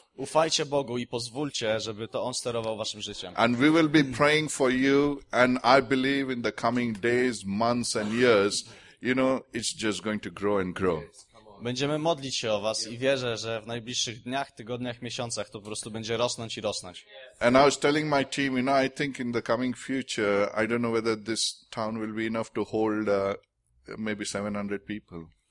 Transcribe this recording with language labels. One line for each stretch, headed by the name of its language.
Polish: Ufajcie Bogu i pozwólcie, żeby to on sterował waszym życiem.
English: And we will be praying for you, and I believe in the coming days, months and years, you know, it's just going to grow and grow.
Polish: Będziemy modlić się o was i wierzę, że w najbliższych dniach, tygodniach, miesiącach to po prostu będzie rosnąć i rosnąć.
English: And I was telling my team, you know, I think in the coming future, I don't know whether this town will be enough to hold maybe 700 people.